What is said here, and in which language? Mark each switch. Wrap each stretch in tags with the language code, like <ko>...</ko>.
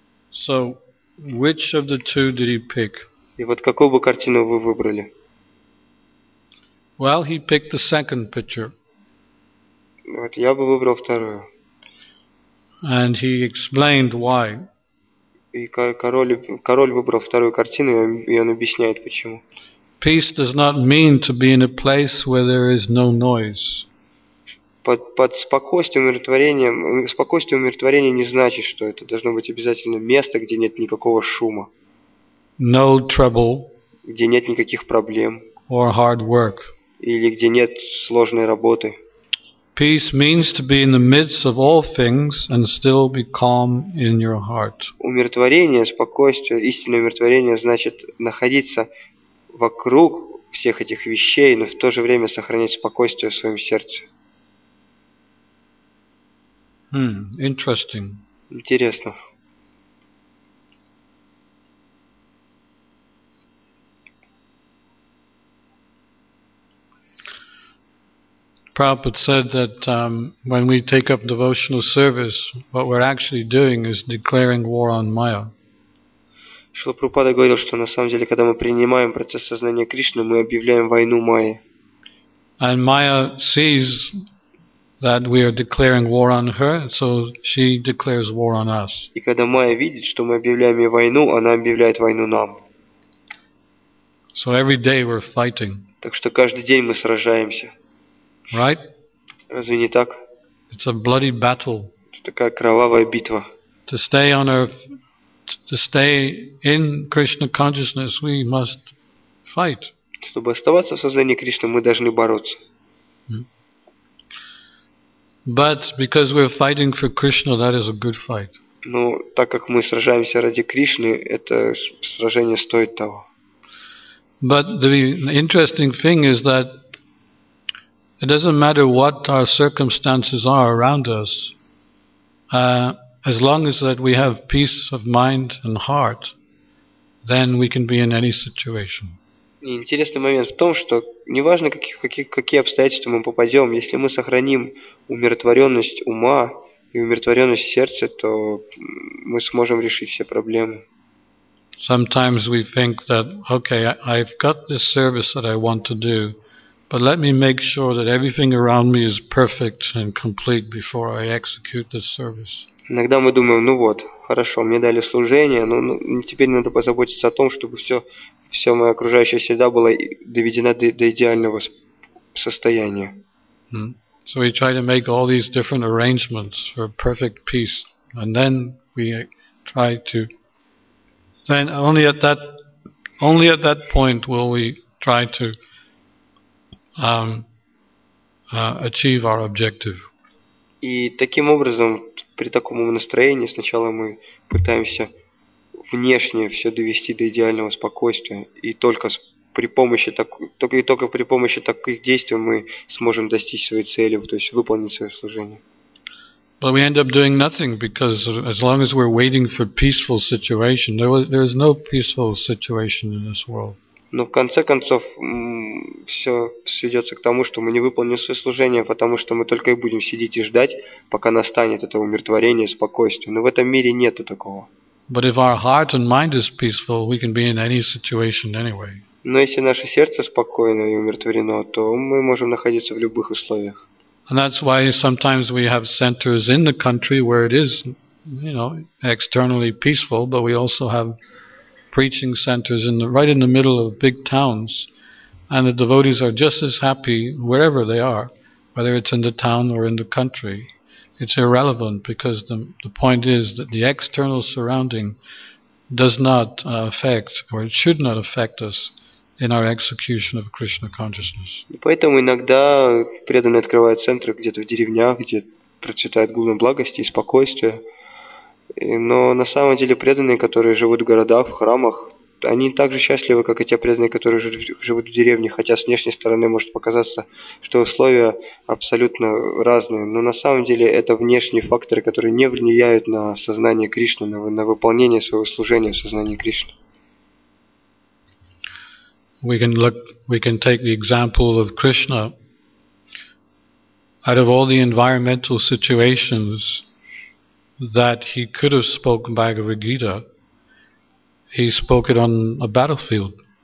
<en>So, which of the two did he pick?</en> <ru>И вот какую бы картину вы выбрали?</ru> <en>Well, he picked the second picture.</en> <ru>Вот я бы выбрал вторую.</ru> <en>And he explained why.</en> <ru>И король выбрал вторую картину, и он объясняет почему.</ru> <en>Peace does not mean to be in a place where there is no noise.</en> <ru>Под спокойствие умиротворение не значит, что это должно быть обязательно место, где нет никакого шума.</ru> <en>No trouble.</en> <ru>Где нет никаких проблем.</ru> <en>Or hard work.</en> <ru>Или где нет сложной работы.</ru> <en>Peace means to be in the midst of all things and still be calm in your heart.</en> <ru>Умиротворение, спокойствие, истинное умиротворение значит находиться вокруг всех этих вещей, но в то же время сохранять спокойствие в своем сердце.</ru> <en>Interesting.</en> <ru>Интересно.</ru> <en>Prabhupada said that when we take up devotional service, what we're actually doing is declaring war on Maya.</en> <ru>Шрила Прабхупада говорил, что на самом деле, когда мы принимаем процесс сознания Кришны, мы объявляем войну Майе.</ru> <en>And Maya sees that we are declaring war on her, so she declares war on us.</en> <ru>И когда Майя видит, что мы объявляем ей войну, она объявляет войну нам.</ru> <en>So every day we're fighting.</en> <ru>Так что каждый день мы сражаемся.</ru> <en>Right?</en> <ru>Разве не так?</ru> <en>It's a bloody battle.</en> <ru>Это такая кровавая битва.</ru> <en>To stay on earth, to stay in Krishna consciousness, we must fight.</en> <ru>Чтобы оставаться в сознании Кришны, мы должны бороться.</ru> <en>But because we're fighting for Krishna, that is a good fight.</en> <ru>Но так как мы сражаемся ради Кришны, это сражение стоит того.</ru> <en>But the interesting thing is that it doesn't matter what our circumstances are around us, as long as that we have peace of mind and heart, then we can be in any situation.</en> <ru>Интересный момент в том, что неважно какие обстоятельства мы попадем, если мы сохраним умиротворенность ума и умиротворенность сердца, то мы сможем решить все проблемы.</ru> <en>Sometimes we think that, okay, I've got this service that I want to do. But let me make sure that everything around me is perfect and complete before I execute this service.</en> <ru>Иногда мы думаем, ну вот, хорошо, мне дали служение, но теперь надо позаботиться о том, чтобы все моя окружающая среда была доведена до идеального состояния.</ru> <en>So we try to make all these different arrangements for perfect peace, and then we try to. Then only at that point will we try to. Achieve our objective.</en> <ru>И таким образом, при таком настроении, сначала мы пытаемся внешне все довести до идеального спокойствия, и только при помощи таких действий мы сможем достичь своей цели, то есть выполнить свое служение.</ru> <en>But we end up doing nothing because as long as we're waiting for peaceful situation, there is no peaceful situation in this world.</en> <ru>Но в конце концов все сведется к тому, что мы не выполним свое служение, потому что мы только и будем сидеть и ждать, пока настанет это умиротворение, спокойствие. Но в этом мире нету такого.</ru> <en>But if our heart and mind is peaceful, we can be in any situation anyway.</en> <ru>Но если наше сердце спокойно и умиротворено, то мы можем находиться в любых условиях.</ru> <en>And that's why sometimes we have centers in the country where it is, you know, externally peaceful, but we also have preaching centers right in the middle of big towns, and the devotees are just as happy wherever they are, whether it's in the town or in the country. It's irrelevant because the point is that the external surrounding does not affect, or it should not affect us in our execution of Krishna consciousness.</en> <ru>Поэтому иногда преданные открывают центры где-то в деревнях, где процветает глубина благости и спокойствия. Но на самом деле преданные, которые живут в городах, в храмах, они так же счастливы, как и те преданные, которые живут в деревне, хотя с внешней стороны может показаться, что условия абсолютно разные. Но на самом деле это внешние факторы, которые не влияют на сознание Кришны, на выполнение своего служения в сознании Кришны.</ru> <en>We can take the example of Krishna. Out of all the environmental situations that he could have spoken Bhagavad Gita, he spoke it on a battlefield.</en>